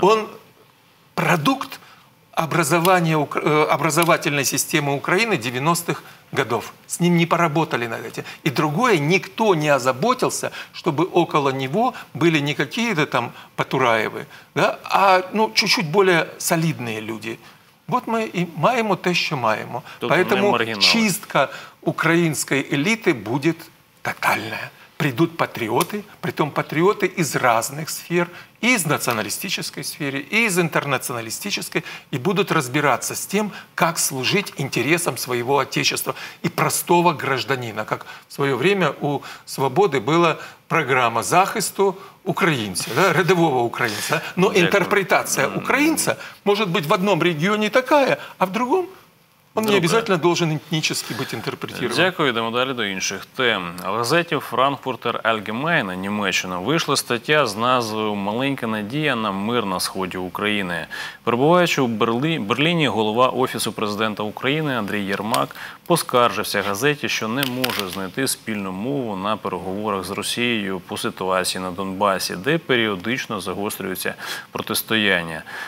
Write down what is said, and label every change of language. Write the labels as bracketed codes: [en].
[ru] Он продукт образование, образовательной системы Украины 90-х годов. С ним не поработали над этим. И другое, никто не озаботился, чтобы около него были не какие-то там Патураевы, да, а ну, чуть-чуть более солидные люди. Вот мы [uk] и маємо те, що маємо. [ru] Поэтому чистка украинской элиты будет тотальная. Придут патриоты, притом патриоты из разных сфер, и из националистической сферы, и из интернационалистической, и будут разбираться с тем, как служить интересам своего отечества и простого гражданина, как в свое время у «Свободы» была программа захисту украинца, да, рядового украинца. Но интерпретация украинца может быть в одном регионе такая, а в другом – он не обязательно должен этнически быть интерпретирован. [uk] Дякую, йдемо далі до інших тем. В газеті Frankfurter Allgemeine Німеччина вийшла стаття з назвою «Маленька надія на мир на сході України». Перебуваючи у Берліні, голова Офісу президента України Андрій Єрмак поскаржився газеті, що не може знайти спільну мову на переговорах з Росією по ситуації на Донбасі, де періодично загострюється протистояння.